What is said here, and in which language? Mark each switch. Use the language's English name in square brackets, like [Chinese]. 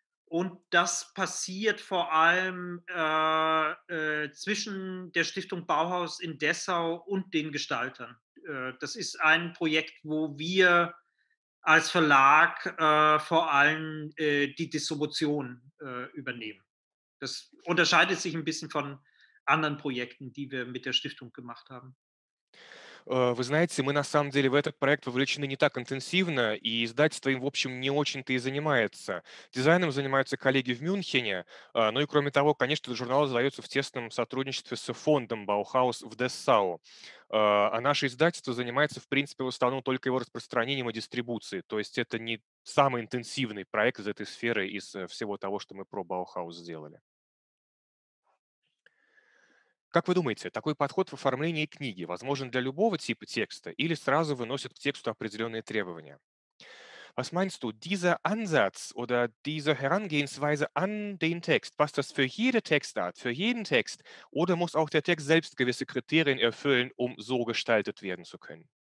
[German] Und das passiert vor allem zwischen der Stiftung Bauhaus in Dessau und den Gestaltern. Das ist ein Projekt, wo wir als Verlag vor allem die Distribution übernehmen. Das unterscheidet sich ein bisschen von anderen Projekten, die wir mit der Stiftung gemacht haben. [Russian] Вы знаете, мы на самом деле в этот проект вовлечены не так интенсивно, и издательство им, в общем, не очень-то и занимается. Дизайном занимаются коллеги в Мюнхене, ну и кроме того, конечно, журнал издается в тесном сотрудничестве с фондом «Баухаус» в Дессау. А наше издательство занимается, в принципе, в основном только его распространением и дистрибуцией. То есть это не самый интенсивный проект из этой сферы, из всего того, что мы про «Баухаус» сделали. Как вы думаете, такой подход в оформлении книги возможен для любого типа текста или сразу выносит к тексту определенные требования? [German] Was meinst du, dieser Ansatz oder diese Herangehensweise an den Text, passt das für jede Textart, für jeden Text oder muss auch der Text selbst gewisse Kriterien erfüllen, um so gestaltet werden zu können?